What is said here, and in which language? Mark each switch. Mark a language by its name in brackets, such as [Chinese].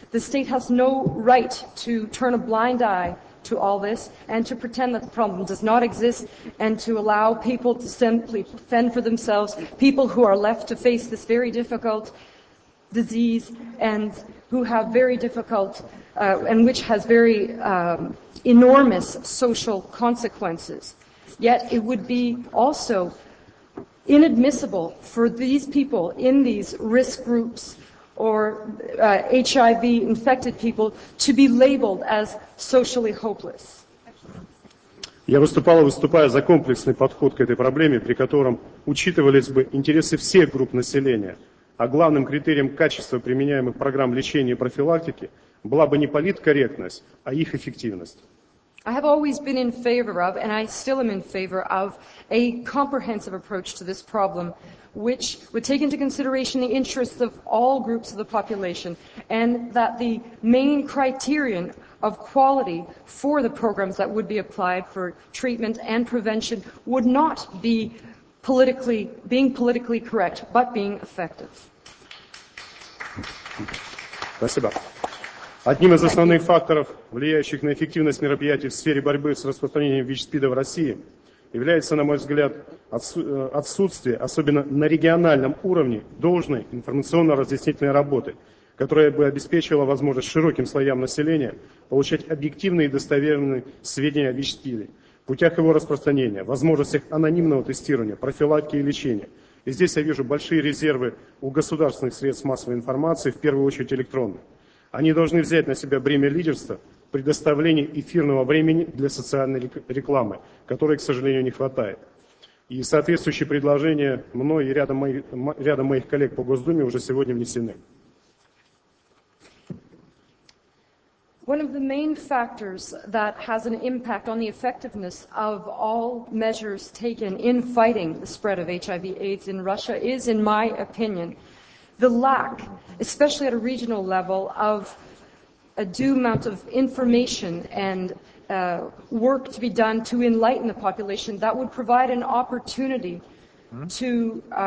[English] The state has no right to turn a blind eye to all this and to pretend that the problem does not exist and to allow people to simply fend for themselves, people who are left to face this very difficult disease and who have very difficult and which has very enormous social consequences. Yet it would be also inadmissible for these people in these risk groups or HIV infected people to be labeled as socially hopeless. [Russian] Я выступал и выступаю за комплексный подход к этой проблеме, при котором учитывались бы интересы всех групп населения, а главным критерием качества применяемых программ лечения и профилактики была бы не политкорректность, а их эффективность. [English] I have always been in favor of, and I still am in favor of, a comprehensive approach to this problem, which would take into consideration the interests of all groups of the population, and that the main criterion of quality for the programs that would be applied for treatment and prevention would not be being politically correct, but being effective. [Russian] Спасибо. Одним из основных факторов, влияющих на эффективность мероприятий в сфере борьбы с распространением ВИЧ-СПИДа в России, является, на мой взгляд, отсутствие, особенно на региональном уровне, должной информационно-разъяснительной работы, которая бы обеспечивала возможность широким слоям населения получать объективные и достоверные сведения о ВИЧ-СПИДе, путях его распространения, возможностях анонимного тестирования, профилактики и лечения. И здесь я вижу большие резервы у государственных средств массовой информации, в первую очередь электронных. Они должны взять на себя бремя лидерства при предоставлении эфирного времени для социальной рекламы, которой, к сожалению, не хватает. И соответствующие предложения мной и рядом моих коллег по Госдуме уже сегодня внесены. [English] One of the main factors that has an impact on the effectiveness of all measures taken in fighting the spread of HIV/AIDS in Russia is, in my opinion, the lack, especially at a regional level, of a due amount of information and work to be done to enlighten the population that would provide an opportunity to